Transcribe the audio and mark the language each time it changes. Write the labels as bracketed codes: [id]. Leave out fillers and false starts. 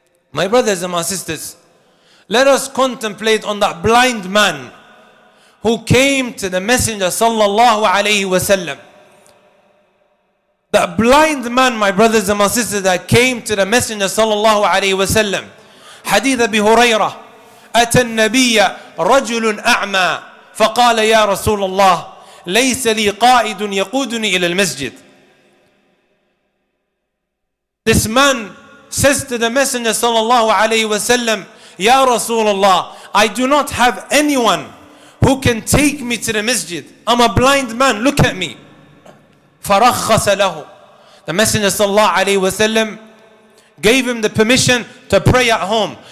[en] My brothers and my sisters, let us contemplate on that blind man who came to the Messenger sallallahu alayhi wa sallam. That blind man, my brothers and my sisters, that came to the Messenger sallallahu alayhi wa sallam. [ar] Hadith Abi Huraira, أَتَى النَّبِيَّ رَجُلٌ أَعْمَى فَقَالَ يَا رَسُولَ اللَّهِ لَيْسَ لِي قَائِدٌ يَقُودُنِي إِلَى الْمَسْجِدِ. [en] This man says to the Messenger sallallahu alayhi wa sallam, Ya Rasulullah, I do not have anyone who can take me to the masjid. I'm a blind man, look at me. [ar] فرخص له. [en] The Messenger sallallahu alayhi wa sallam gave him the permission to pray at home.